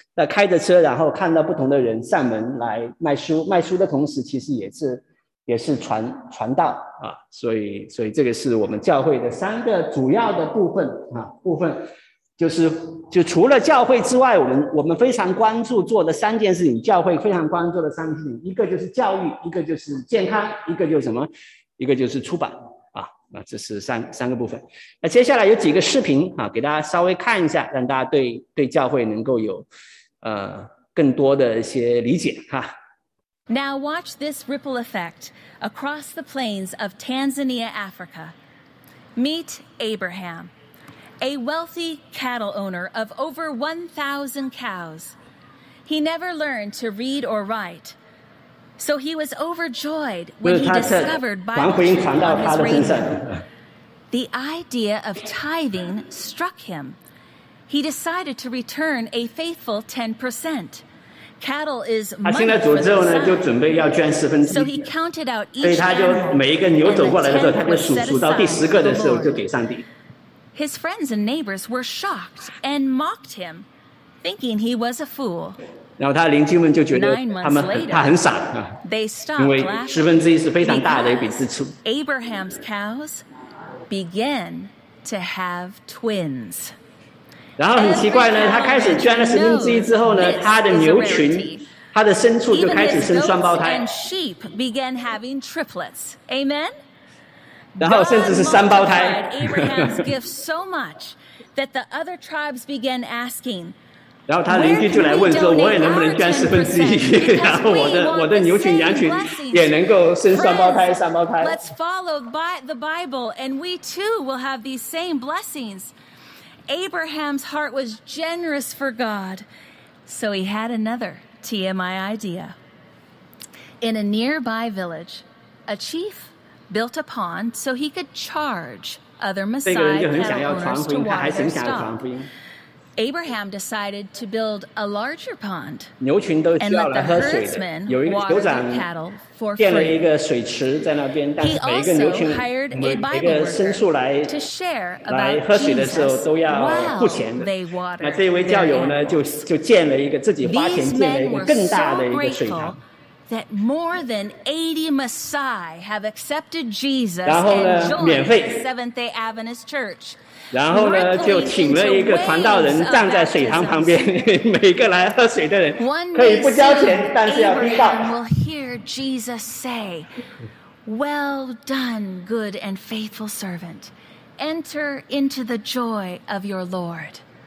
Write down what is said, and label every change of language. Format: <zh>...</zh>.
<zh>开着车，然后看到不同的人上门来卖书，卖书的同时，其实也是传道啊，所以这个是我们教会的三个主要的部分啊，部分就除了教会之外，我们非常关注做的三件事情，教会非常关注的三件事情，一个就是教育，一个就是健康，一个就是什么，一个就是出版啊，那这是三个部分。那接下来有几个视频啊，给大家稍微看一下，让大家对教会能够有。更多的一些理解哈。</zh> <en>Now watch this ripple effect across the plains of Tanzania, Africa. Meet Abraham, a wealthy cattle owner of over 1,000 cows. He never learned to read or write, so he was overjoyed when he discovered Bible truth on his radio. The idea of tithing struck him. He decided to return a faithful 10%. Cattle is money for the son. So he counted out each animal and the 10% was set aside to the Lord.</en> <zh>所以他就每一个牛走过来的时候，他们数到第十个的时候就给上帝。</zh> <en>His friends and neighbors were shocked and mocked him, thinking he was a fool.</en> <zh>然后他邻居们就觉得他很傻啊，因为十分之一是非常大的一笔支出。</zh> <en>Abraham's cows began to have twins.</en> <zh>然后很奇怪呢，他开始捐了十分之一之后呢，他的牛群，他的牲畜就开始生双胞胎。</zh> <en>Even his goats and sheep began having triplets. Amen.</en> <zh>然后甚至是三胞胎。</zh> <en>God multiplied Abraham's gift so much that the other tribes began asking,</en> <zh>然后他邻居就来问说，我也能不能捐十分之一，然后我的牛群羊群也能够生三胞胎。</zh> <en>Let's follow by the Bible and we too will have these same blessings. Abraham's heart was generous for God, so he had another TMI idea. In a nearby village, a chief built a pond so he could charge other Messiah cattle owners to water their stock. Abraham decided to build a larger pond and let the herdsmen water the cattle for free. He also hired a Bible worker to share about Jesus while they watered their animals. These men were so grateful that more than 80 Maasai have accepted Jesus and joined Seventh-day Adventist Church.</en> <zh>然后呢，就请了一个传道人站在水塘旁边，每个来喝水的人可以不交钱，但是要听到。</zh> <en>Abraham will hear Jesus say, "Well done, good and faithful servant. Enter into the joy of your Lord."</en>